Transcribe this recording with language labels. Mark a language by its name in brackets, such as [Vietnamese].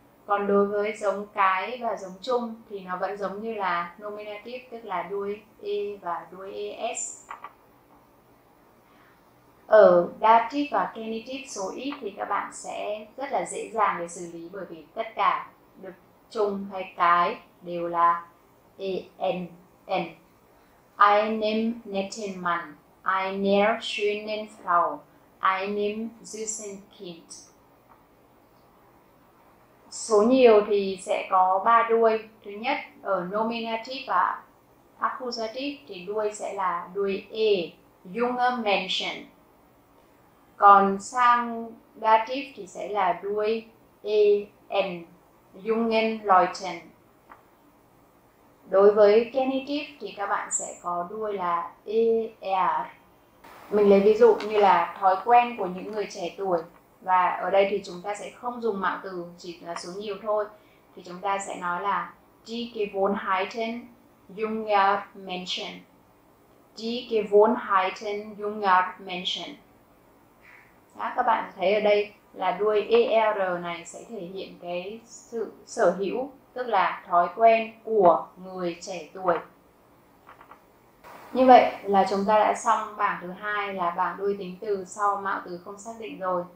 [Vietnamese] Còn đối với giống cái và giống chung thì nó vẫn giống như là nominative, tức là đuôi e và đuôi es. Ở dative và genitive số ít thì các bạn sẽ rất là dễ dàng để xử lý, bởi vì tất cả được chung hay cái đều là en. [German] Einem netten Mann, einer schönen Frau, einem süßen Kind. [Vietnamese] Số nhiều thì sẽ có ba đuôi. Thứ nhất, ở nominative và accusative thì đuôi sẽ là đuôi e, [German] junger Menschen. [Vietnamese] Còn sang dative thì sẽ là đuôi en, [German] jungen Leuten. [Vietnamese] Đối với genitive thì các bạn sẽ có đuôi là er. Mình lấy ví dụ như là thói quen của những người trẻ tuổi. Và ở đây thì chúng ta sẽ không dùng mạo từ, chỉ là số nhiều thôi. [German] Thì chúng ta sẽ nói là Die Gewohnheiten junger Menschen. Die Gewohnheiten junger Menschen. [Vietnamese] Đó, các bạn thấy ở đây là đuôi er này sẽ thể hiện cái sự sở hữu, tức là thói quen của người trẻ tuổi. Như vậy là chúng ta đã xong bảng thứ hai là bảng đuôi tính từ sau mạo từ không xác định rồi.